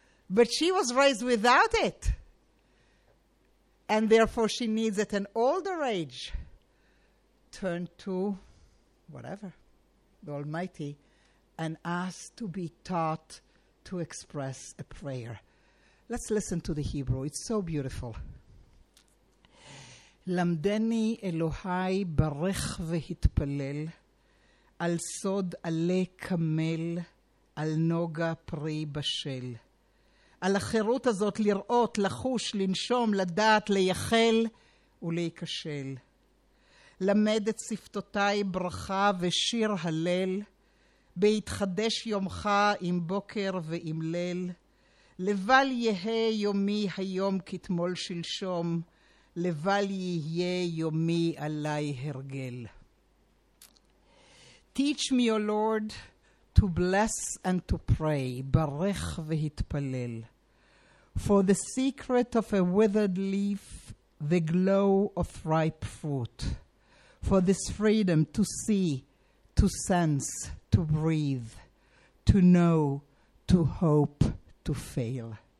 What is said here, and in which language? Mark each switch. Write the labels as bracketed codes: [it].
[en] But she was raised without it. And therefore she needs at an older age, turn to whatever, the Almighty, and ask to be taught to express a prayer. Let's listen to the Hebrew. It's so beautiful. [he] למדני אלוהי ברך והתפלל על סוד עלי כמל על נוגה פרי בשל על החירות הזאת לראות לחוש לנשום לדעת ליחל ולהיכשל למד את שפתותיי ברכה ושיר הלל בהתחדש יומך עם בוקר ועם ליל לבל יהיה יומי היום כתמול שלשום לבל יהיה יומי עלי הרגל. [en] Teach me, O Lord, to bless and to pray, [he] ברך והתפלל. [en] For the secret of a withered leaf, the glow of ripe fruit. For this freedom to see, to sense, to breathe, to know, to hope, to fail.